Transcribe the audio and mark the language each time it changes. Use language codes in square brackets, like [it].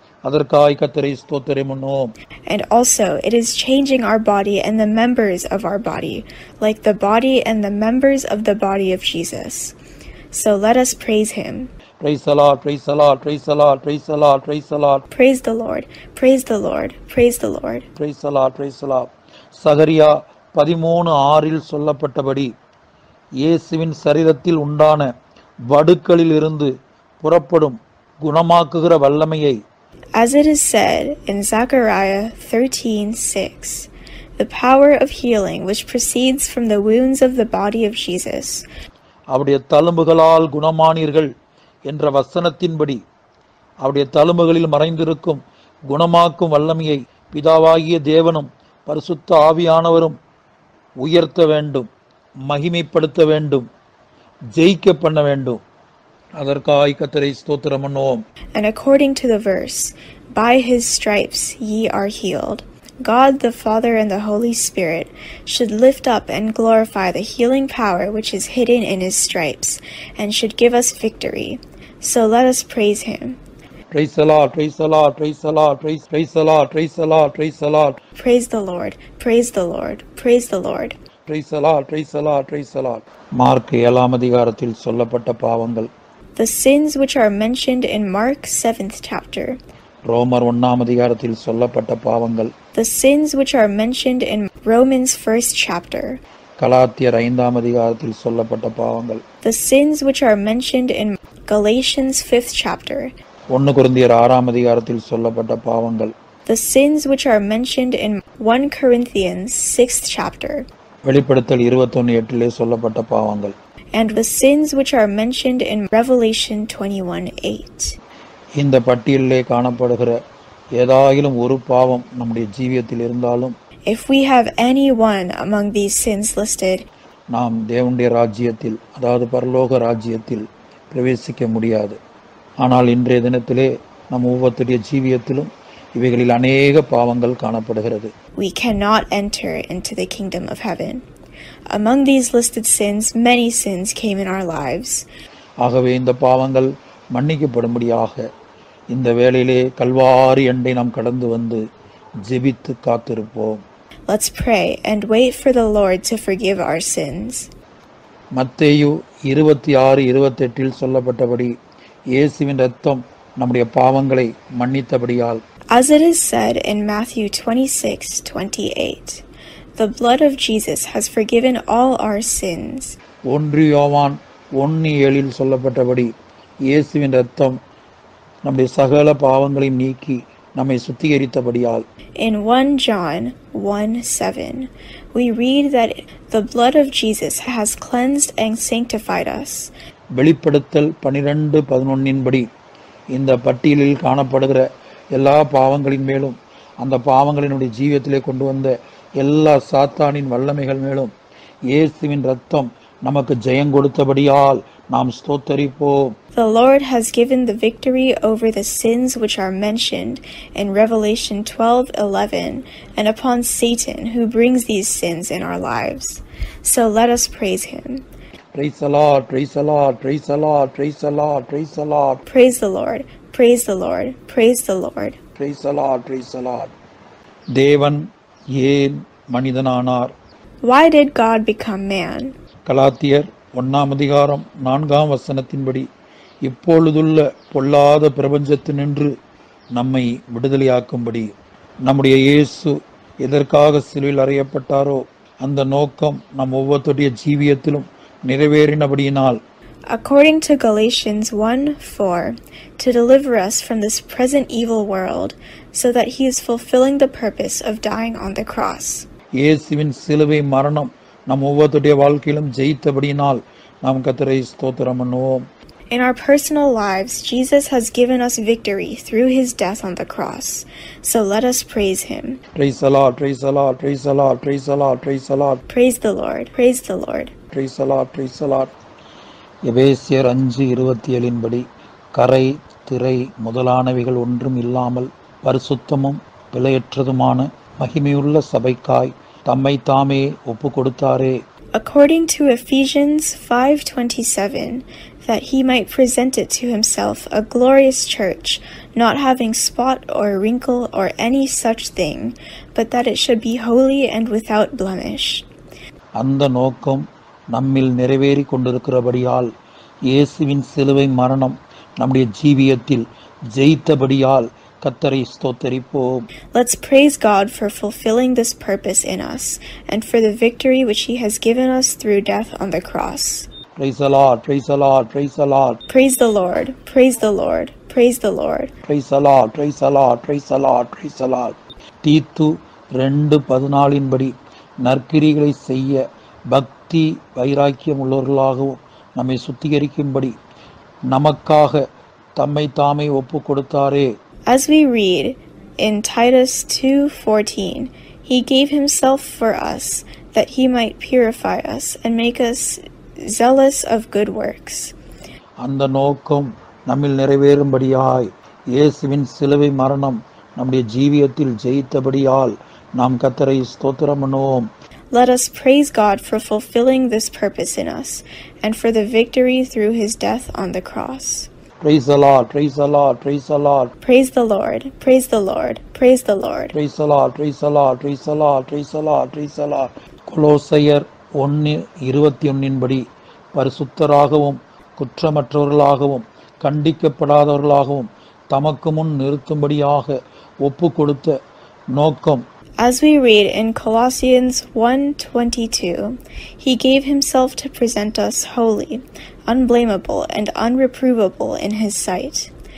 [ta] அதற்காய் கர்த்தரை ஸ்தோத்திரமுன்னோம். [en] And also it is changing our body and the members of our body, like the body and the members of the body of Jesus. So let us praise him. Praise the Lord, praise the Lord, praise the Lord, praise the Lord, praise the Lord. Praise the Lord, praise the Lord, praise the Lord. Praise the Lord, praise the Lord. [ta] சகரியா 13:6 சொல்லப்பட்டபடி, இயேசுவின் சரீரத்தில் உண்டான வடுக்களில் இருந்து புறப்படும் குணமாக்குகிற வல்லமையை, [en] As it is said in Zechariah 13:6, the power of healing which proceeds from the wounds of the body of Jesus. [ta] அவருடைய தழும்புகளால் குணமானீர்கள் என்ற வசனத்தின்படி, அவருடைய தழும்புகளில் மறைந்திருக்கும் குணமாக்கும் வல்லமையை பிதாவாகிய தேவனும் பரிசுத்த ஆவியானவரும் உயர்த்த வேண்டும், மகிமைப்படுத்த வேண்டும், ஜெயிக்க பண்ண வேண்டும். அதற்காய் கர்த்தரை ஸ்தோத்திரம் பண்ணுவோம். [en] And according to the verse, by his stripes ye are healed. God the Father and the Holy Spirit should lift up and glorify the healing power which is hidden in his stripes and should give us victory. So let us praise him. Praise the Lord, praise the Lord, praise the Lord, praise, praise the Lord, praise the Lord, praise the Lord. Praise the Lord, praise the Lord, praise the Lord. Praise the Lord, praise the Lord, praise the Lord. [ta] Mark 7 அதிகாரத்தில் சொல்லப்பட்ட பாவங்கள், [en] The sins which are mentioned in Mark 7th chapter. [ta] ரோமர் 1 அதிகாரத்தில் சொல்லப்பட்ட பாவங்கள், [en] The sins which are mentioned in Romans 1st chapter. [ta] கலாத்தியர் 5 அதிகாரத்தில் சொல்லப்பட்ட பாவங்கள், [en] The sins which are mentioned in Galatians 5th chapter. [ta] 1 கொரிந்தியர் 6 அதிகாரத்தில் சொல்லப்பட்ட பாவங்கள், [en] The sins which are mentioned in 1 Corinthians 6th chapter. [ta] வெளிப்படுத்தல் 21:8 சொல்லப்பட்ட பாவங்கள், [en] And the sins which are mentioned in Revelation 21:8. [ta] இந்த பட்டியலிலே காணப்படுகிற ஏதாகிலும் ஒரு பாவம் நம்முடைய ஜீவியத்தில் இருந்தாலும், [en] If we have any one among these sins listed, [ta] நாம் தேவனுடைய ராஜ்யத்தில், அதாவது பரலோக ராஜ்யத்தில் பிரவேசிக்க முடியாது. ஆனால் இன்றைய தினத்திலே நம் ஒவ்வொருத்தருடைய ஜீவியத்திலும் இவைகளில் அநேக பாவங்கள் காணப்படுகிறது. [en] We cannot enter into the kingdom of heaven. Among these listed sins, many sins came in our lives. [ta] ஆகவே இந்த பாவங்கள் மன்னிக்கப்படும்படியாக இந்த வேளையிலே கல்வாரி அண்டை நாம் கடந்து வந்து ஜெபித்து காத்திருப்போம். [en] Let's pray and wait for the Lord to forgive our sins. [ta] மத்தேயு 26:28 சொல்லப்பட்டபடி, இயேசுவின் இரத்தம் நம்முடைய பாவங்களை மன்னித்தபடியால், [en] As it is said in Matthew 26:28, the blood of Jesus has forgiven all our sins. [ta] 1 யோவான் 1:7 சொல்லப்பட்டபடி, இயேசுவின் இரத்தம் நம்முடைய சகல பாவங்களையும் நீக்கி நம்மை சுத்திகரித்தபடியால், [en] In 1 John 1:7, we read that the blood of Jesus has cleansed and sanctified us. [ta] வெளிப்படுத்தல் 12:11 இந்த பட்டியலில் காணப்படுகிற எல்லா பாவங்களின் மேலும் அந்த பாவங்களினுடைய ஜீவியத்திலே கொண்டு வந்த எல்லா சாத்தானின் வல்லமைகள் மேலும் இயேசுவின் இரத்தம் நமக்கு ஜெயம் கொடுத்தபடியால் நாம் ஸ்தோத்தரிப்போம். [en] The Lord has given the victory over the sins which are mentioned in Revelation 12:11 and upon Satan who brings these sins in our lives. So let us praise him. Praise the Lord, praise the Lord, praise the Lord, praise the Lord, praise the Lord. Praise the Lord, praise the Lord, praise the Lord. Praise the Lord, praise the Lord. [ta] தேவன் ஏன் மனிதனானார்? [en] Why did God become man? [ta] கலாத்தியர் 1 அதிகாரம் 4 வசனத்தின்படி, இப்பொழுதுள்ள பொல்லாத பிரபஞ்சத்தினின்று நம்மை விடுதலையாக்கும்படி. நம்முடைய இயேசு எதற்காக சிலுவையில் அறையப்பட்டாரோ அந்த நோக்கம் நம் ஒவ்வொருத்தருடைய ஜீவியத்திலும் நிறைவேறினபடியினால். [en] According to Galatians 1:4, to deliver us from this present evil world, so that he is fulfilling the purpose of dying on the cross. [ta] இயேசுவின் சிலுவை மரணம் நம் ஒவ்வொருடைய வாழ்க்கையிலும் ஜெயித்தபடியினால் நாம் கர்த்தரை ஸ்தோத்திரம் பண்ணுவோம். [en] In our personal lives, Jesus has given us victory through his death on the cross. So let us praise him. Praise the Lord, praise the Lord, praise the Lord, praise the Lord, praise the Lord. Praise the Lord, praise the Lord. Praise the Lord, praise the Lord. [ta] எபேசியர் 5:27 படி கரை திரை முதலானவைகள் ஒன்றும் இல்லாமல் பரிசுத்தமும் பிழையற்றதுமான மகிமையுள்ள சபைக்காய் தம்மை தாமே ஒப்பு கொடுத்தாரே. [en] According to Ephesians 5:27, that he might present it to himself a glorious church, not having spot or wrinkle or any such thing, but that it should be holy and without blemish. [ta] அந்த நோக்கம் நம்மில் நிறைவேறி கொண்டிருக்கிறபடியால் இயேசுவின் சிலுவை மரணம் நம்முடைய ஜீவியத்தில் ஜெயித்தபடியால் கர்த்தரை ஸ்தோத்தரிப்போம். [en] Let's praise God for fulfilling this purpose in us and for the victory which he has given us through death on the cross. Praise the Lord, praise the Lord, praise the Lord. Praise the Lord, praise the Lord, praise the Lord. Praise the Lord, praise the Lord, praise the Lord, praise the Lord. [ta] தீத்து 2:14 படி நற்கிரிகளை செய்ய பக்தி வைராக்கியம் உள்ளவர்களாகவும் நம்மை சுத்திகரிக்கும்படி நமக்காக தம்மை தாமே ஒப்பு கொடுத்தாரே. [en] As we read in Titus 2:14, he gave himself for us that he might purify us and make us zealous of good works. [ta] அந்த நோக்கம் நம்மில் நிறைவேறும்படியாய் இயேசுவின் சிலுவை மரணம் நம்முடைய ஜீவியத்தில் ஜெயித்தபடியால் நாம் கர்த்தரை ஸ்தோத்திரம் பண்ணுவோம். [en] Let us praise God for fulfilling this purpose in us and for the victory through his death on the cross. Praise the Lord, praise the Lord, praise the Lord. Praise the Lord, praise the Lord, praise the Lord. Praise the Lord, praise the Lord, praise the Lord, praise the Lord, praise the Lord. [ta] கொலோசையர் 1:21 படி பரிசுத்தராகவும் குற்றமற்றவர்களாகவும் கண்டிக்கப்படாதவர்களாகவும் தமக்கு முன் நிறுத்தும்படியாக ஒப்பு கொடுத்த நோக்கம். [en] As we read in Colossians 1:22, he gave himself to present us holy, unblameable and unreprovable in his sight.